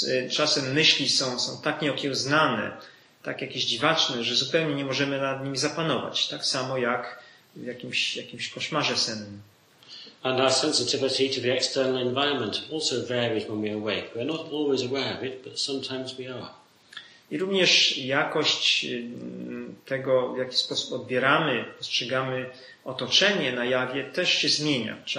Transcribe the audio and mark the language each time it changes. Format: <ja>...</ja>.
<pl>Czasem myśli są tak nieokiełznane, tak jakieś dziwaczne, że zupełnie nie możemy nad nimi zapanować, tak samo jak w jakimś koszmarze sennym.</pl> <en>And our sensitivity to the external environment also varies when we're awake. We're not always aware of it, but sometimes we are.</en> <pl>I również jakość tego, w jaki sposób odbieramy, postrzegamy otoczenie na jawie, też się zmienia.</pl>